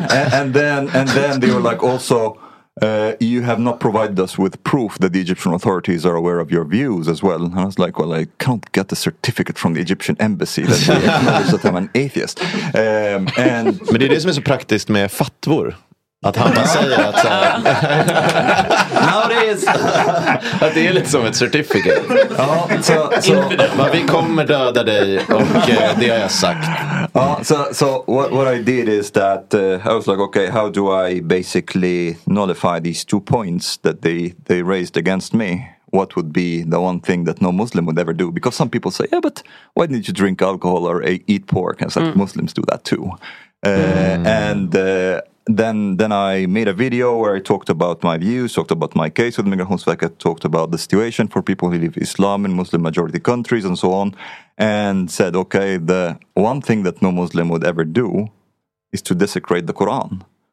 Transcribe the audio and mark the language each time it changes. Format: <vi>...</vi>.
<en>and then they were like, also, you have not provided us with proof that the Egyptian authorities are aware of your views as well. And I was like, well, I can't get a certificate from the Egyptian embassy that they acknowledge that I'm an atheist.</en> <sv>Men det är det som är så praktiskt med fatvor. Att han bara säger att så här,</sv> <en>nowadays,</en> <sv>att det är lite som ett certificate. Ja, så vi kommer döda dig och det har jag sagt.</sv> <en>Ja, so what I did is that I was like, okay, how do I basically nullify these two points that they raised against me? What would be the one thing that no Muslim would ever do? Because some people say, yeah, but why didn't you drink alcohol or eat pork? And it's like, Muslims do that too. Then I made a video where I talked about my views, talked about my case with Migrationsverket, talked about the situation for people who live Islam in Muslim majority countries and so on, and said, okay, the one thing that no Muslim would ever do is to desecrate the Quran.</en>